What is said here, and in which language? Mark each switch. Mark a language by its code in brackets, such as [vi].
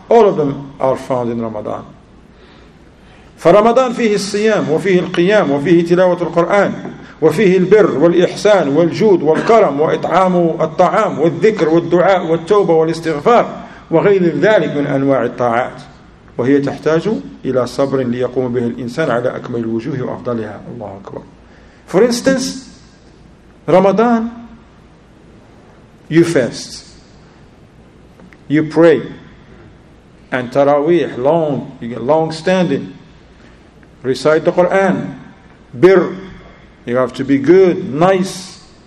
[en] All of them are found in Ramadan. [ar] فرمضان فيه الصيام وفيه القيام وفيه تلاوة القرآن وفيه البر والإحسان والجود والكرم وإطعام الطعام والذكر والدعاء والتوبة والاستغفار وغير ذلك من أنواع الطاعات وهي تحتاج إلى صبر ليقوم به الإنسان على أكمل الوجوه وأفضلها. الله أكبر. [en] For instance, Ramadan, you fast, you pray, and Taraweeh, long standing, recite the Quran, birr, you have to be good, nice,